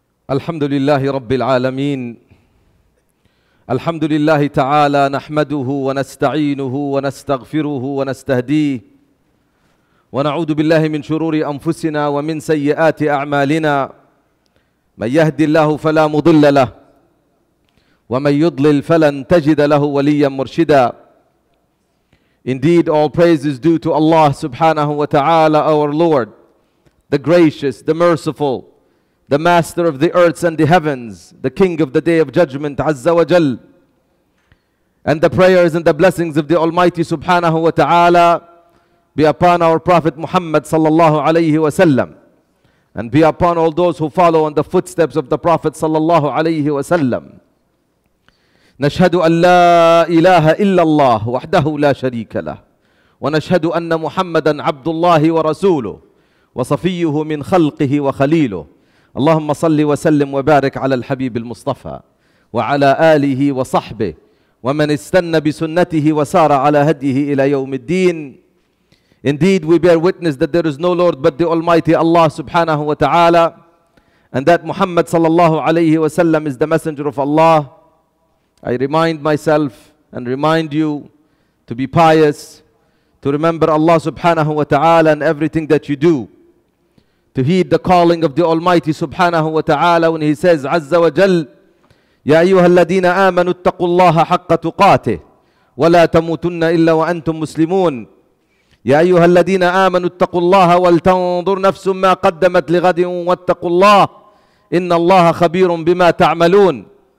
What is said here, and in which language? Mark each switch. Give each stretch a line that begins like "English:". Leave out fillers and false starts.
Arabic: الحمد لله رب العالمين الحمد لله تعالى نحمده ونستعينه ونستغفره ونستهديه ونعوذ بالله من شرور أنفسنا ومن سيئات أعمالنا من يهدي الله فلا مضل له ومن يضلل فلن تجد له وليا مرشدا.
English: Indeed, all praise is due to Allah subhanahu wa ta'ala, our Lord, the gracious, the merciful, the master of the earths and the heavens, the king of the day of judgment, Azza wa Jal. And the prayers and the blessings of the Almighty subhanahu wa ta'ala be upon our Prophet Muhammad sallallahu alayhi wa sallam, and be upon all those who follow in the footsteps of the Prophet sallallahu alayhi wa sallam.
Arabic: نشهد أن لا إله إلا الله وحده لا شريك له ونشهد أن محمدا عبد الله ورسوله وصفيه من خلقه وخليله اللهم صل وسلم وبارك على الحبيب المصطفى وعلى آله وصحبه ومن استنى بسنته وسار على هديه إلى يوم الدين.
English: Indeed, we bear witness that there is no Lord but the Almighty Allah subhanahu wa ta'ala, and that Muhammad sallallahu alayhi wa sallam is the messenger of Allah. I remind myself and remind you to be pious, to remember Allah subhanahu wa ta'ala in everything that you do, to heed the calling of the Almighty subhanahu wa ta'ala when He says, Azza wa Jal,
Arabic: يَا أَيُّهَا الَّذِينَ آمَنُوا اتَّقُوا اللَّهَ حَقَّ تُقَاتِهِ وَلَا تَمُوتُنَّ إِلَّا وَأَنْتُمْ مُسْلِمُونَ يَا أَيُّهَا الَّذِينَ آمَنُوا اتَّقُوا اللَّهَ وَلْتَنْظُرْ نَفْسٌ مَّا قَدَّمَتْ لِغَدٍ وَاتَّقُوا اللَّهَ إِنَّ اللَّهَ خَبِيرٌ بِمَا تَعْمَلُونَ.